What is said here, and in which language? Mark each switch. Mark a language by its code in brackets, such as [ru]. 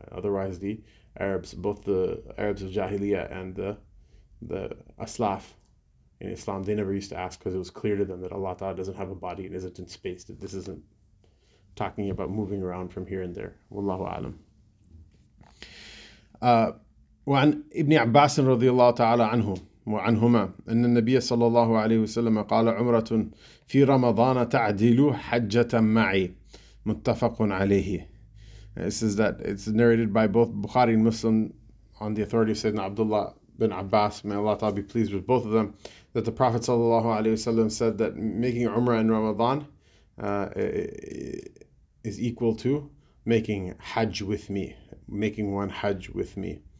[en] Otherwise the Arabs, both the Arabs of Jahiliyyah and the Aslaf in Islam, they never used to ask, because it was clear to them that Allah Ta'ala doesn't have a body and isn't in space, that this isn't talking about moving around from here and there. [ar] Wallahu alam. وعن ابن عباس رضي الله تعالى عنه وعنهما أن النبي صلى الله عليه وسلم قال عمرة في رمضان تعدل حجة معي متفق عليه. [en] This is that it's narrated by both Bukhari and Muslim on the authority of Sayyidina Abdullah bin Abbas, may Allah Ta'ala be pleased with both of them, that the Prophet sallallahu alaihi wasallam said that making Umrah in Ramadan is equal to making Hajj with me, making one Hajj with me.